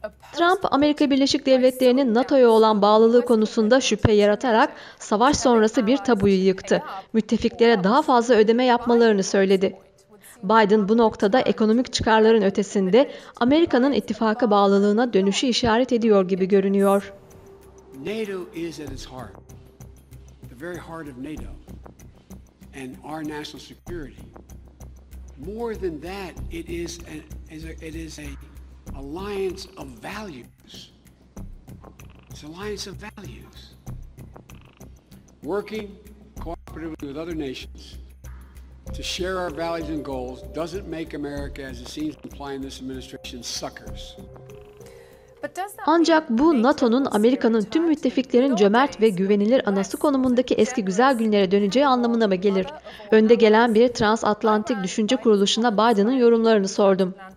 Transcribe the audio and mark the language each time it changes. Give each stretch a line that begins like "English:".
Turkish: Trump, Amerika Birleşik Devletleri'nin NATO'ya olan bağlılığı konusunda şüphe yaratarak savaş sonrası bir tabuyu yıktı. Müttefiklere daha fazla ödeme yapmalarını söyledi. Biden bu noktada ekonomik çıkarların ötesinde Amerika'nın ittifaka bağlılığına dönüşü işaret ediyor gibi görünüyor.
English: NATO is at its heart, the very heart of NATO and our national security. More than that, it is an alliance of values. It's an alliance of values. Working cooperatively with other nations to share our values and goals doesn't make America, as it seems implying in this administration, suckers.
Turkish: Ancak bu NATO'nun Amerika'nın tüm müttefiklerin cömert ve güvenilir anası konumundaki eski güzel günlere döneceği anlamına mı gelir? Önde gelen bir transatlantik düşünce kuruluşuna Biden'ın yorumlarını sordum.